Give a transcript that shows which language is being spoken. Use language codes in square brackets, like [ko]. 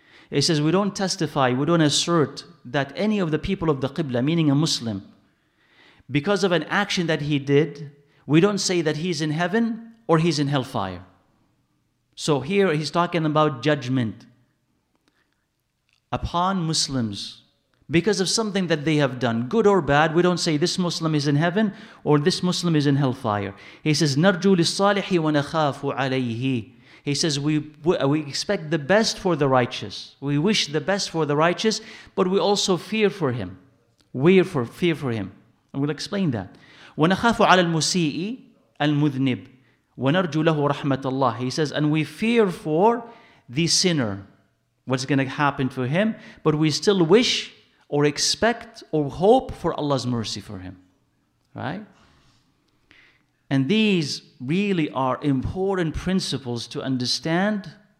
[en] It says we don't testify, we don't assert that any of the people of the Qibla, meaning a Muslim, because of an action that he did, we don't say that he's in heaven or he's in hellfire. So here he's talking about judgment upon Muslims because of something that they have done, good or bad. We don't say this Muslim is in heaven or this Muslim is in hellfire. He says, [ar] نرجو للصالح ونخاف عليه. [en] He says, we expect the best for the righteous. We wish the best for the righteous, but we also fear for him. We fear for him. And we'll explain that. [ar] ونخاف على المسيء المذنب ونرجو له رحمة الله. [en] He says, and we fear for the sinner, what's going to happen to him, but we still wish or expect or hope for Allah's mercy for him. Right? And these really are important principles to understand.